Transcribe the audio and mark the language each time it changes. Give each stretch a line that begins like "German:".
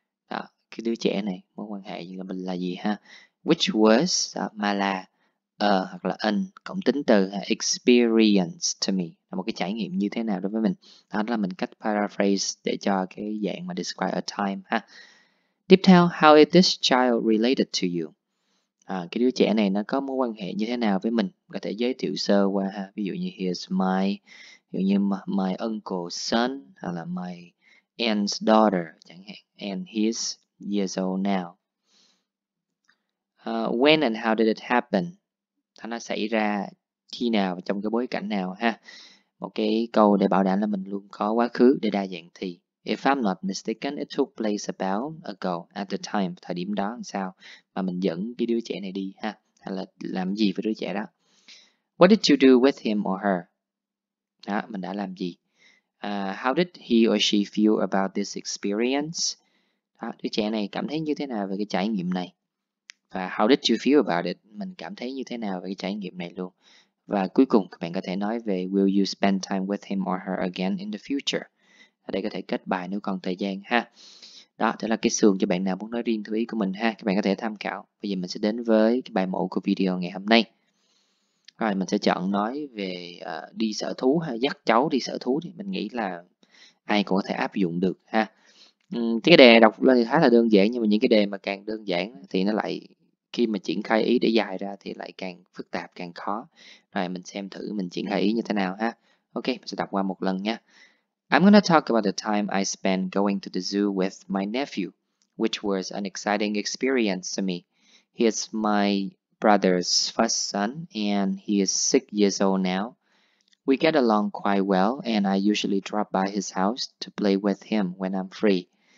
Vietnamese: Đó, cái đứa trẻ này, mối quan hệ với mình là gì ha?
English: Which was,
Vietnamese: đó, mà là a hoặc là an, cộng tính từ
English: experience to me.
Vietnamese: Là một cái trải nghiệm như thế nào đối với mình. Đó là mình cách paraphrase để cho cái dạng mà
English: describe a time
Vietnamese: ha.
English: Tiếp theo, how is this child related to you?
Vietnamese: À, cái đứa trẻ này nó có mối quan hệ như thế nào với mình? Có thể giới thiệu sơ qua ha. Ví dụ như
English: here's my,
Vietnamese: ví dụ như
English: my uncle's son,
Vietnamese: hoặc là
English: my aunt's daughter
Vietnamese: chẳng hạn,
English: and he's years old now. When and how did it happen?
Vietnamese: Thế nó xảy ra khi nào, trong cái bối cảnh nào ha. Một cái câu để bảo đảm là mình luôn có quá khứ để đa dạng thì.
English: If I'm not mistaken, it took place about ago, at the time,
Vietnamese: thời điểm đó làm sao mà mình dẫn cái đứa trẻ này đi ha, hay là làm gì với đứa trẻ đó.
English: What did you do with him or her?
Vietnamese: Đó, mình đã làm gì.
English: How did he or she feel about this experience?
Vietnamese: Đó, đứa trẻ này cảm thấy như thế nào về cái trải nghiệm này? Và
English: how did you feel about it?
Vietnamese: Mình cảm thấy như thế nào về cái trải nghiệm này luôn. Và cuối cùng, các bạn có thể nói về
English: will you spend time with him or her again in the future?
Vietnamese: Ở đây có thể kết bài nếu còn thời gian ha. Đó, đó là cái sườn cho bạn nào muốn nói riêng thú ý của mình ha. Các bạn có thể tham khảo. Bây giờ mình sẽ đến với cái bài mẫu của video ngày hôm nay. Rồi, mình sẽ chọn nói về đi sở thú ha. Dắt cháu đi sở thú thì mình nghĩ là ai cũng có thể áp dụng được ha. Cái đề đọc lên thì khá là đơn giản. Nhưng mà những cái đề mà càng đơn giản thì nó lại, khi mà triển khai ý để dài ra thì lại càng phức tạp, càng khó. Rồi, mình xem thử mình triển khai ý như thế nào ha. Ok, mình sẽ đọc qua một lần nha.
English: I'm going to talk about the time I spent going to the zoo with my nephew, which was an exciting experience to me. He is my brother's first son, and he is 6 years old now. We get along quite well, and I usually drop by his house to play with him when I'm free.